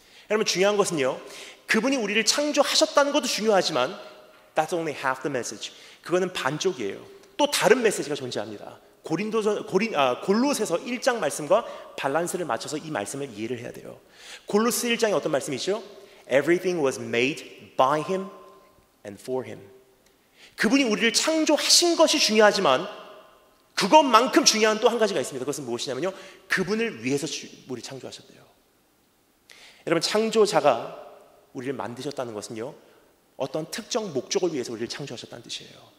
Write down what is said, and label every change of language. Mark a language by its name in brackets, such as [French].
[Korean] 여러분 중요한 것은요, 그분이 우리를 창조하셨다는 것도 중요하지만 [English] That's only half the message. [Korean] 그거는 반쪽이에요. 또 다른 메시지가 존재합니다. 골로새서 1장 말씀과 밸런스를 맞춰서 이 말씀을 이해를 해야 돼요. 골로새 1장에 어떤 말씀이죠? [English] Everything was made by him and for him. [Korean] 그분이 우리를 창조하신 것이 중요하지만 그것만큼 중요한 또 한 가지가 있습니다. 그것은 무엇이냐면요, 그분을 위해서 우리를 창조하셨대요. 여러분 창조자가 우리를 만드셨다는 것은요, 어떤 특정 목적을 위해서 우리를 창조하셨다는 뜻이에요.